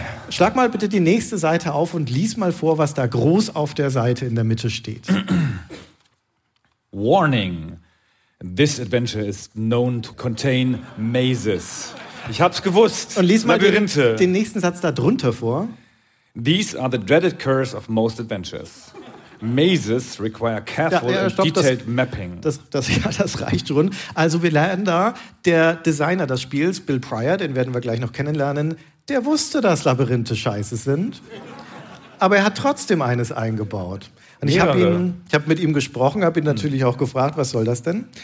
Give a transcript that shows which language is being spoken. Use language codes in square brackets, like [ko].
[de] Schlag mal bitte die nächste Seite auf und lies mal vor, was da groß auf der Seite in der Mitte steht. [en] Warning. This adventure is known to contain mazes. [de] Ich hab's gewusst. Und lies mal den nächsten Satz da drunter vor. [en] These are the dreaded curse of most adventures. Mazes require careful detailed mapping. [de] Das reicht schon. Also wir lernen da, der Designer des Spiels, Bill Pryor, den werden wir gleich noch kennenlernen, der wusste, dass Labyrinthe scheiße sind. Aber er hat trotzdem eines eingebaut. Und ich hab mit ihm gesprochen, habe ihn natürlich auch gefragt, was soll das denn?